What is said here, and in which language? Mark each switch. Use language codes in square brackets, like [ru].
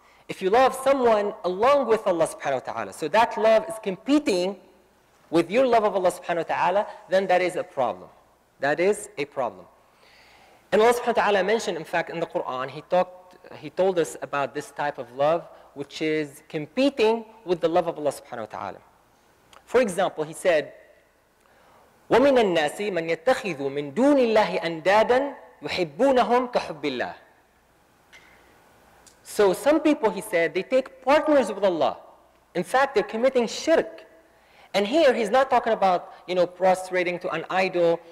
[en] If you love someone along with Allah subhanahu wa ta'ala, so that love is competing with your love of Allah subhanahu wa ta'ala, then that is a problem. That is a problem. And Allah subhanahu wa ta'ala mentioned, in fact, in the Quran, he told us about this type of love, which is competing with the love of Allah subhanahu wa ta'ala. For example, he said, [ar] وَمِنَ النَّاسِ مَنْ يَتَّخِذُ مِنْ دُونِ اللَّهِ أَنْدَادًا يُحِبُّونَهُمْ كَحُبِّ اللَّهِ. [en] So some people, he said, they take partners with Allah. In fact, they're committing shirk. And here, he's not talking about, prostrating to an idol.